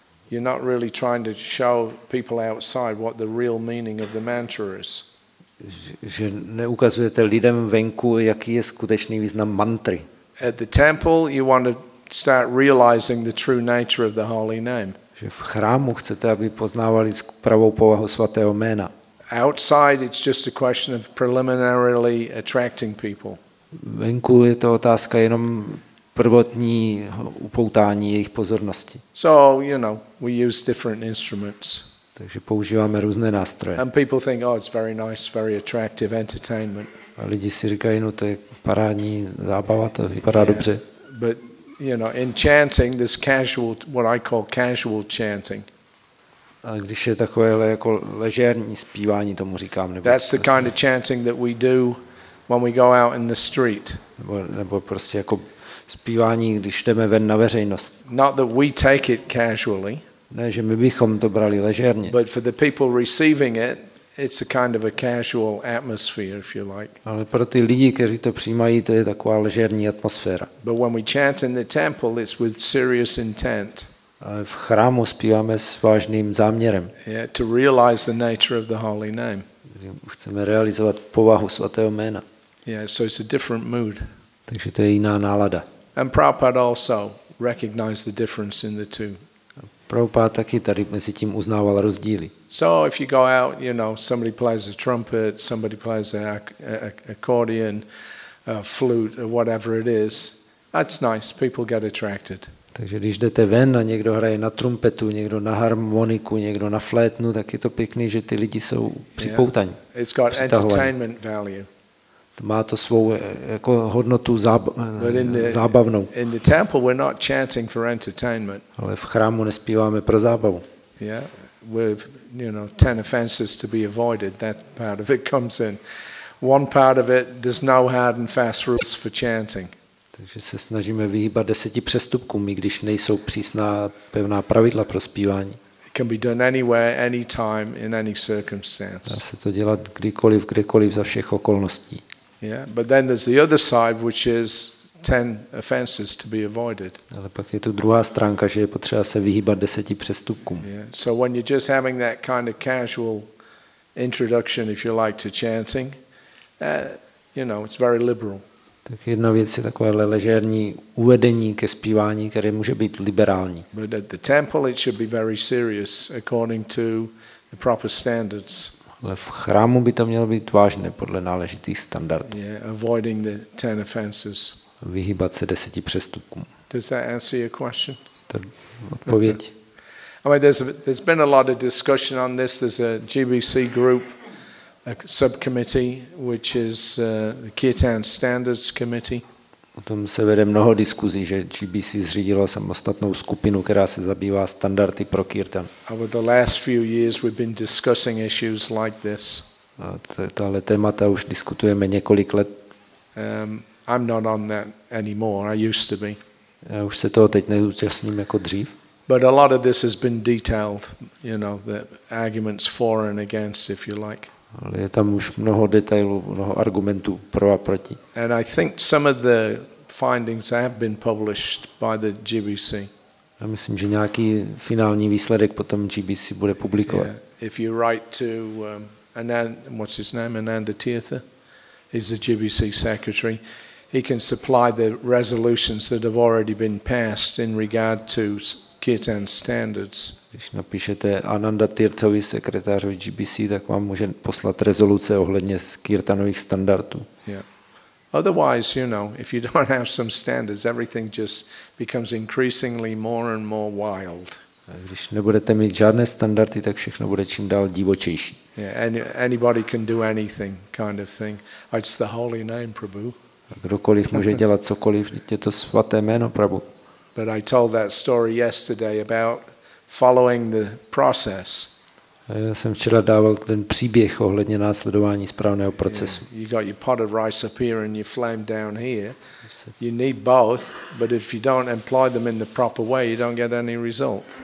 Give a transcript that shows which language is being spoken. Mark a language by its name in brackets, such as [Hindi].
[English] You're not really trying to show people outside what the real meaning of the mantra is. [Czech] Že neukazujete lidem venku, jaký je skutečný význam mantry. [English] At the temple you want to start realizing the true nature of the holy name. [Czech] Že v chrámu chcete, aby poznávali pravou povahu svatého jména. [English] Outside it's just a question of preliminarily attracting people. [Czech] Venku je to otázka jenom prvotní upoutání jejich pozornosti. [English] So, you know, we use different instruments. [Czech] Takže používáme různé nástroje. [English] And people think, oh, it's very nice, very attractive entertainment. [Czech] A lidi si říkají, no to je parádní zábava, to vypadá dobře. [English] But you know, in chanting, this casual, what I call casual chanting. [Czech] A když je takovéhle jako ležérní zpívání, tomu říkám. Nebo [English] that's the kind of chanting that we do when we go out in the street. [Czech] Nebo prostě jako zpívání, když jdeme ven na veřejnost. [English] Not that we take it casually. [Czech] Ne, že my bychom to brali ležérně. [English] But for the people receiving it, it's a kind of a casual atmosphere, if you like. [Czech] Ale pro ty lidi, kteří to přijímají, to je taková ležérní atmosféra. [English] But when we chant in the temple, it's with serious intent. [Czech] Ale v chrámu zpíváme s vážným záměrem. [English] Yeah, to realize the nature of the holy name. [Czech] Chceme realizovat povahu svatého jména. [English] Yeah, so it's a different mood. [Czech] Takže to je jiná nálada. [English] And Prabhupada also recognized the difference in the two. [Czech] Prabhupada taky tady mezi tím uznával rozdíly. [English] So if you go out, you know, somebody plays a trumpet, somebody plays an accordion, a flute, or whatever it is, that's nice, people get attracted. [Czech] Takže když jdete ven a někdo hraje na trumpetu, někdo na harmoniku, někdo na flétnu, tak je to pěkný, že ty lidi jsou připoutaní. [English] Yeah. It's got entertainment value. [Czech] Má to svou jako hodnotu zábavnou. [English] In the temple we're not chanting for entertainment. [Czech] Ale v chrámu nespíváme pro zábavu. [English] Yeah. With, you know, 10 offenses to be avoided, that part of it comes in. One part of it, there's no hard and fast rules for chanting. [Czech] Takže se snažíme vyhýbat 10 přestupkům, i když nejsou přísná pevná pravidla pro zpívání. [English] It can be done anywhere, anytime, in any circumstance. [Czech] Dá se to dělat kdykoliv, kdekoliv, za všech okolností. [English] Yeah, but then there's the other side, which is 10 offenses to be avoided. [Czech] Ale pak je tu druhá stránka, že je potřeba se vyhýbat 10 přestupkům. [English] Yeah. So when you're just having that kind of casual introduction, if you like, to chanting, you know, it's very liberal. [Czech] Tak jedna věc je takovéhle ležérní uvedení ke zpívání, které může být liberální. [English] But at the temple it should be very serious according to the proper standards. [Czech] Ale v chrámu by to mělo být vážné podle náležitých standardů. [English] Yeah, avoiding the 10 offenses. [Czech] Vyhýbat se 10 přestupkům. [English] Does that answer your question? [Czech] To odpověď. [English] I mean, there's been a lot of discussion on this. There's a GBC group, a subcommittee, which is the Kirtan Standards Committee. [Czech] O tom se vede mnoho diskuzí, že GBC zřídilo samostatnou skupinu, která se zabývá standardy pro kirtan. [English] Over the last few years, we've been discussing issues like this. [Czech] Tahle témata už diskutujeme několik let. [English] I'm not on that anymore. I used to be. [Czech] Já už se toho teď neúčastním jako dřív. [English] But a lot of this has been detailed, you know, the arguments for and against, if you like. [Czech] Ale je tam už mnoho detailů, mnoho argumentů pro a proti. [English] And I think some of the findings have been published by the GBC. [Czech] Já myslím, že nějaký finální výsledek potom GBC bude publikovat. [English] Yeah. If you write to Anandatirtha, he's the GBC secretary. He can supply the resolutions that have already been passed in regard to kirtan standards. [Czech] Když napíšete Anandatirthovi, sekretářovi GBC, tak vám může poslat rezoluce ohledně kirtanových standardů. [English] Yeah. Otherwise, you know, if you don't have some standards, everything just becomes increasingly more and more wild. [Czech] A když nebudete mít žádné standardy, tak všechno bude čím dál divočejší. [English] Yeah, anybody can do anything kind of thing. It's the holy name, Prabhu. [Czech] A kdokoliv může dělat cokoliv, je to svaté jméno, Prabhu. [English] But I told that story yesterday about following the process. [Czech] Já jsem včera dával ten příběh ohledně následování správného procesu. [English] Yeah. You got your pot of rice up here and your flame down here. You need both, but if you don't employ them in the proper way, you don't get any result.